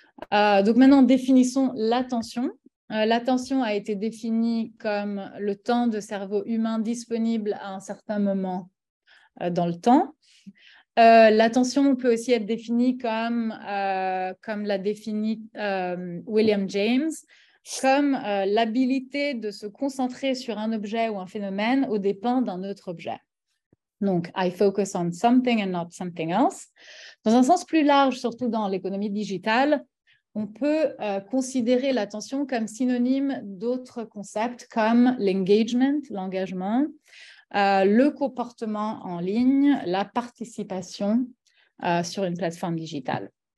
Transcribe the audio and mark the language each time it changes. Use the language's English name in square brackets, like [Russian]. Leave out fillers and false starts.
[French] Donc maintenant, définissons l'attention. L'attention a été définie comme le temps de cerveau humain disponible à un certain moment dans le temps. L'attention peut aussi être définie comme, comme l'a défini William James, comme l'habilité de se concentrer sur un objet ou un phénomène aux dépens d'un autre objet. Donc, [English] I focus on something and not something else. [French] Dans un sens plus large, surtout dans l'économie digitale, on peut considérer l'attention comme synonyme d'autres concepts comme l'engagement, l'engagement, le comportement en ligne, la participation sur une plateforme digitale.